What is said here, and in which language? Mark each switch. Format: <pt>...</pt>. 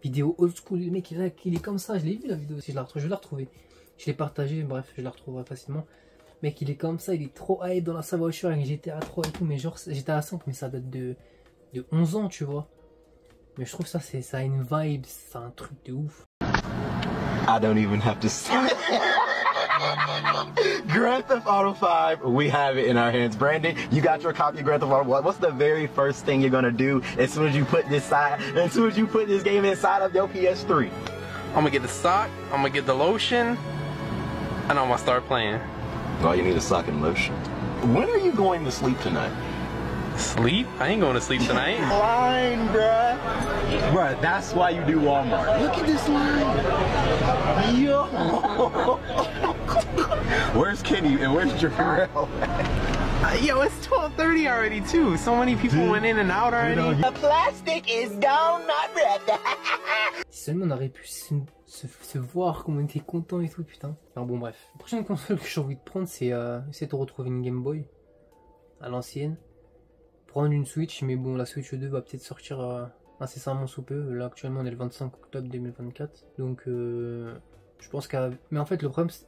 <fr>Vidéo old school, le mec, là, il est comme ça. Je l'ai vu, la vidéo. Si je la retrouve, je vais la retrouver. Je l'ai partagé, bref, je la retrouverai facilement. Mec, il est comme ça, il est trop hype dans sa voiture avec GTA 3 et tout. Mais genre, GTA 5, mais ça date de 11 ans, tu vois. Mais je trouve ça, c'est, ça a une vibe, c'est un truc de ouf.</fr> <en>I don't even have to say it. Grand Theft Auto 5, we have it in our hands. Brandon, you got your copy of Grand Theft Auto 5. What's the very first thing you're gonna do as soon as you put this side, as soon as you put this game inside of your PS3? I'm gonna get the sock, I'm gonna get the lotion, and I'm gonna start playing. Well, you need a sock and lotion. When are you going to sleep tonight? Sleep? I ain't going to sleep tonight. Line, bruh. Bruh, that's why you do Walmart. Look at this line. Yo. Where's Kenny and where's Jafarel? Yo, it's 12:30 already too. So many people dude, went in and out already. You know, the plastic is gone, my brother.</en> <fr>Si seulement on aurait pu se voir, comme on était content et tout, putain. Alors bon, bref. La prochaine console que j'ai envie de prendre, c'est essayer de retrouver une Game Boy à l'ancienne. Prendre une Switch, mais bon, la Switch 2 va peut-être sortir incessamment sous peu. Là, actuellement, on est le 25 octobre 2024. Donc, je pense qu'à... Mais en fait, le problème, c'est...</fr>